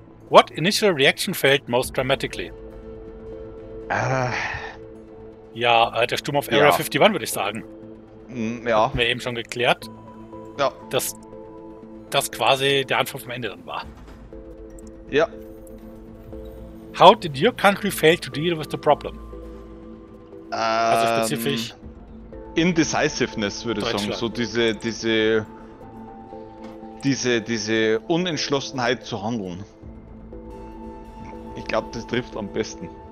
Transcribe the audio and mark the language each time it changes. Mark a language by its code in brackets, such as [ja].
[en] What initial reaction felt most dramatically? [de] Ja, der Sturm auf Area 51, würde ich sagen. Ja. Haben wir eben schon geklärt. Ja. Dass das quasi der Anfang vom Ende dann war. Ja. [en] How did your country fail to deal with the problem? [de] Also spezifisch. Indecisiveness, würde ich sagen. So diese Unentschlossenheit zu handeln. Ich glaube, das trifft am besten.